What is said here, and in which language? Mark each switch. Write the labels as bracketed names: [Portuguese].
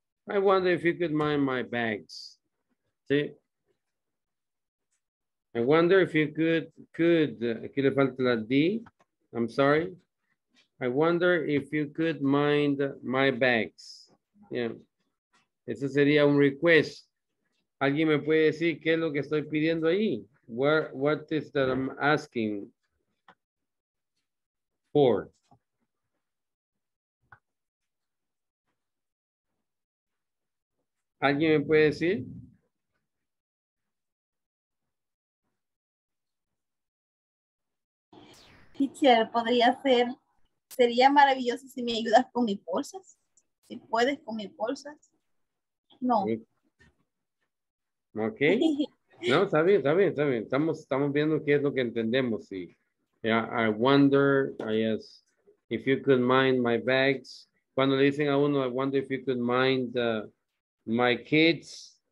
[English] I wonder if you could mind my bags. See? I wonder if you could [Spanish] aquí le falta la D. [English] I'm sorry. I wonder if you could mind my bags. Yeah. [Spanish] Ese sería un request. ¿Alguien me puede decir qué es lo que estoy pidiendo ahí? [English] What is that I'm asking for? [Spanish] ¿Alguien me puede decir? Teacher, podría ser, sería maravilloso si me ayudas con mis bolsas, si puedes con mis bolsas. No. Ok. No, está bien, está bien, está bien. Estamos viendo qué es lo que entendemos. [English] Y, yeah, I wonder, I guess, if you could mind my bags. [Spanish] Cuando le dicen a uno, [English] I wonder if you could mind my kids.